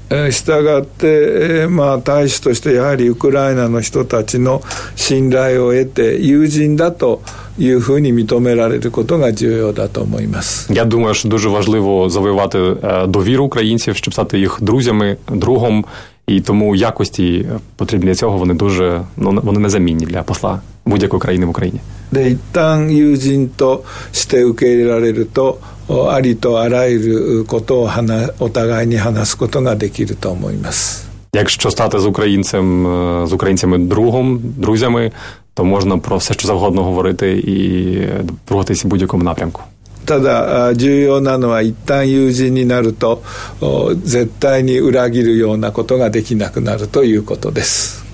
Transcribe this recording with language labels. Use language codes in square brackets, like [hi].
[ja] したがって、まあ、大使としてやはりウクライナの人たちの信頼を得て友人だというふうに認められることが重要だと思います。 [uk] Я думаю, що дуже важливо завоювати довіру українців, щоб стати їх друзями, другом, і тому якості потрібні для цього, вони дуже, ну, вони незамінні для посла будь-якої країни в Україні. [ja] で、一旦友人として受け入れられるとありとあらゆることを話、お互いに話すことができると思います。 [uk] Якщо стати з українцями другом, друзями, то можна про все, що завгодно говорити і рухатися в будь-якому напрямку. [ja] ただ、重要なのは一旦友人になると絶対に裏切るようなことができなくなるということです。